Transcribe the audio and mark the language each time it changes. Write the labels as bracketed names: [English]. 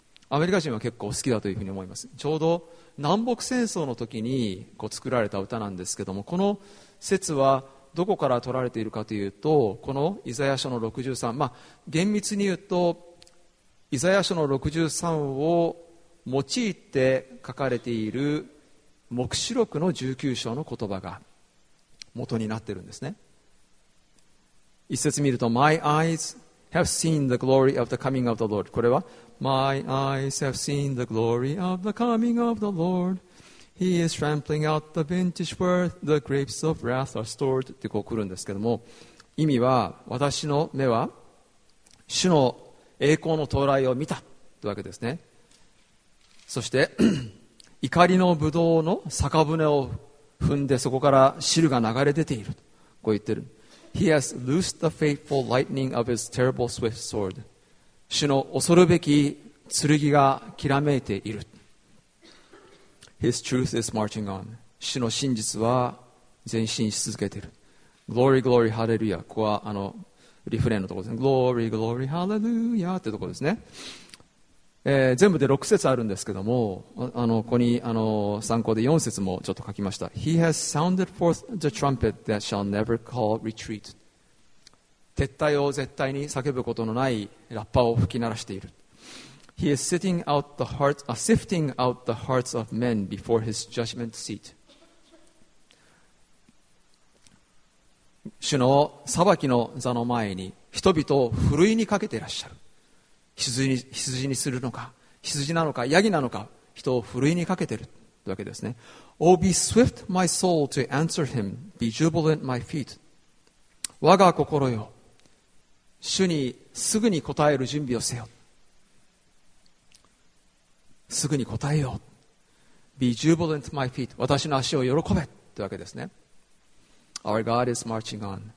[Japanese] アメリカ人は結構好きだというふうに思います。ちょうど南北戦争の時にこう作られた歌なんですけども、この説はどこから取られているかというと、このイザヤ書の63、まあ厳密に言うと、イザヤ書の63を用いて書かれている黙示録の19章の言葉が元になっているんですね。一節見ると、 [English] My eyes have seen the glory of the coming of the Lord。 [Japanese] これは [English] My eyes have seen the glory of the coming of the Lord。 He is trampling out the vintage where the grapes of wrath are stored [Japanese] ってこう来るんですけども、意味は私の目は主の栄光の到来を見たというわけですね。そして怒りのブドウの酒舟を踏んで、そこから汁が流れ出ていると、こう言ってる。 [English] He has loosed the fateful lightning of his terrible swift sword。 [Japanese] 主の恐るべき剣がきらめいている。 [English] His truth is marching on。 [Japanese] 主の真実は前進し続けている。 [English] Glory, glory, hallelujah。 [Japanese] ここはリフレインのところですね。 [English] Glory, glory, hallelujah [Japanese] っていうところですね。全部で6節あるんですけども、ここに参考で4節もちょっと書きました。 [English] He has sounded forth the trumpet that shall never call retreat. [Japanese] 撤退を絶対に叫ぶことのないラッパを吹き鳴らしている。 [English] He is sitting out the hearts, sifting out the hearts of men before his judgment seat. [Japanese] 主の裁きの座の前に人々をふるいにかけていらっしゃる。羊にするのか、羊なのか、ヤギなのか、人をふるいにかけているわけですね。 [English] Oh, be swift, my soul, to answer him. Be jubilant, my feet. [Japanese] 我が心よ、主にすぐに答える準備をせよ。すぐに答えよう。 [English] Be jubilant, my feet. [Japanese] 私の足を喜べってわけですね。 [English] Our God is marching on.